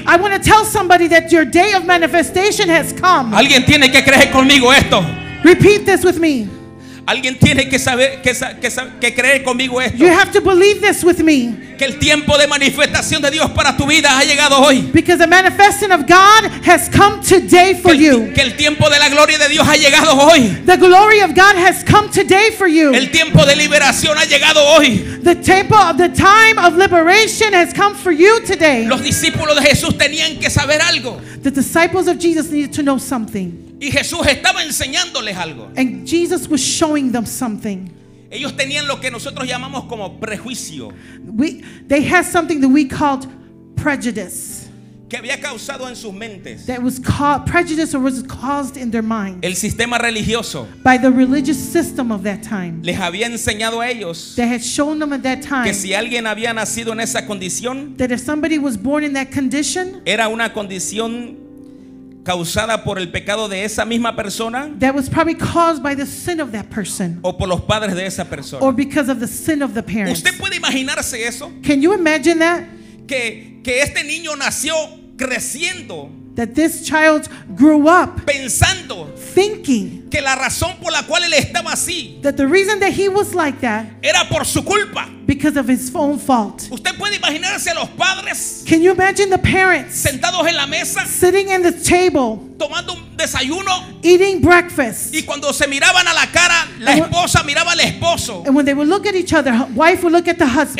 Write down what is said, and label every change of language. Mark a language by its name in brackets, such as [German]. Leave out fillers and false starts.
[English] I want to tell somebody that your day of manifestation has come. [Spanish] Alguien tiene que creer conmigo esto. [English] Repeat this with me. [Spanish] Alguien tiene que saber que creer conmigo esto. [English] You have to believe this with me. [Spanish] Que el tiempo de manifestación de Dios para tu vida ha llegado hoy. [English] Because the manifesting of God has come today for you. [Spanish] Que el tiempo de la gloria de Dios ha llegado hoy. [English] The glory of God has come today for you. [Spanish] El tiempo de liberación ha llegado hoy. [English] The time of liberation has come for you today. [Spanish] Los discípulos de Jesús tenían que saber algo. [English] The disciples of Jesus needed to know something. [Spanish] Y Jesús estaba enseñándoles algo. [English] And Jesus was showing them something. [Spanish] Ellos tenían lo que nosotros llamamos como prejuicio. [English] They had something that we called prejudice. [Spanish] Que había causado en sus mentes. [English] That was called prejudice or was caused in their minds. [Spanish] El sistema religioso. [English] By the religious system of that time. [Spanish] Les había enseñado a ellos. [English] They had shown them at that time. [Spanish] Que si alguien había nacido en esa condición. [English] That if somebody was born in that condition. [Spanish] Era una condición causada por el pecado de esa misma persona, [English] that was probably caused by the sin of that person, [Spanish] o por los padres de esa persona, [English] or because of the sin of the parents. [Spanish] ¿Usted puede imaginarse eso? [English] Can you imagine that? [Spanish] Que este niño nació creciendo, [English] that this child grew up [Spanish] pensando, [English] thinking [Spanish] que la razón por la cual él estaba así, [English] that the reason that he was like that [Spanish] era por su culpa, [English] because of his own fault. [Spanish] ¿Usted puede imaginarse a los padres? [English] Can you imagine the parents [Spanish] sentados en la mesa, [English] sitting in the table, [Spanish] tomando un desayuno, [English] eating breakfast, [Spanish] y cuando se miraban a la cara, la esposa miraba al esposo, [English] and when they would look at each other, wife would look at the husband,